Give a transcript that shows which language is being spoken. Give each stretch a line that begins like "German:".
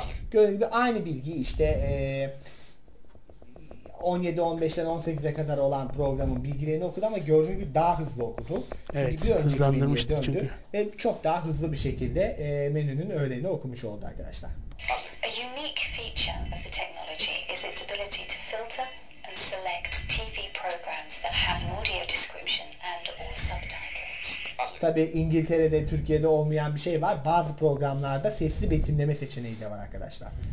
Turkish: Gördüğünüz gibi aynı bilgi işte 17-15'ten 18'e kadar olan programın bilgilerini okudu ama gördüğünüz gibi daha hızlı okudu. Evet, çünkü bir hızlandırmıştı çünkü. Ve çok daha hızlı bir şekilde menünün öğlenini okumuş oldu arkadaşlar.
English: A unique feature of the technology is its ability to filter and select TV programs that have an audio description and or subtitles.
Turkish: Tabii İngiltere'de, Türkiye'de olmayan bir şey var. Bazı programlarda sesli betimleme seçeneği de var arkadaşlar.